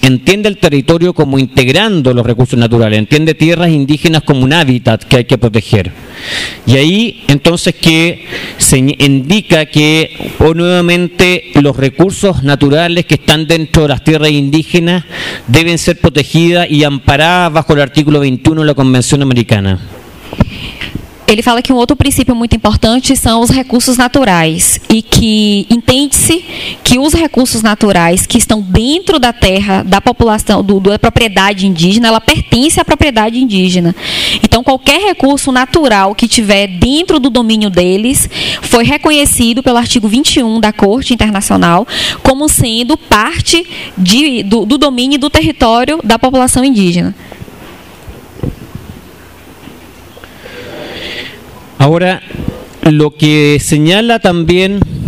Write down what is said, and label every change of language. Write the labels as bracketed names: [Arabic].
[Spanish] Entiende el territorio como integrando los recursos naturales, entiende tierras indígenas como un hábitat que hay que proteger. Y ahí entonces que se indica que nuevamente los recursos naturales que están dentro de las tierras indígenas deben ser protegidas y amparadas bajo el artículo 21 de la Convención Americana. [Portuguese] Ele fala que um outro princípio muito importante são os recursos naturais e que entende-se que os recursos naturais que estão dentro da terra, da população, da propriedade indígena, ela pertence à propriedade indígena. Então, qualquer recurso natural que tiver dentro do domínio deles foi reconhecido pelo artigo 21 da Corte Internacional como sendo parte do domínio e do território da população indígena. [Spanish] Ahora, lo que señala también...